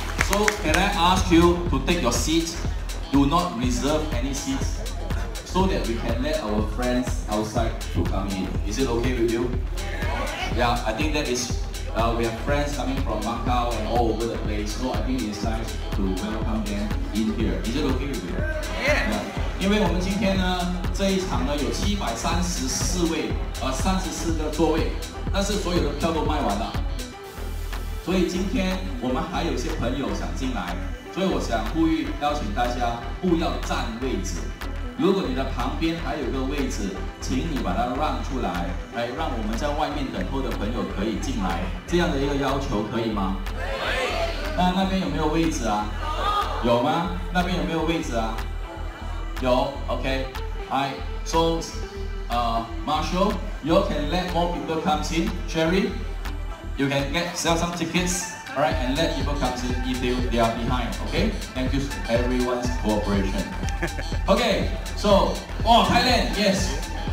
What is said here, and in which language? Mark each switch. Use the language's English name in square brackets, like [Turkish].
[English] So can I ask you to take your seats? Do not reserve any seats so that we can let our friends outside to come in. Is it okay with you? Yeah, I think that is, we have friends coming from Macau and all over the place. So I think it's time to welcome them in here. Is it okay with you? Yeah. [Chinese] 因为我们今天呢，这一场呢有734个座位。但是所有的票都卖完了，所以今天我们还有一些朋友想进来，所以我想呼吁邀请大家不要占位置。如果你的旁边还有个位置，请你把它让出来，来让我们在外面等候的朋友可以进来。这样的一个要求可以吗？可以。那边有没有位置啊？有。有吗？那边有没有位置啊？有。OK。 [English] Alright, so Marshall, you can let more people come in. Sherry, you can sell some tickets, alright, and let people come in if they are behind, okay? Thank you for everyone's cooperation. Okay, so, oh, Thailand, yes.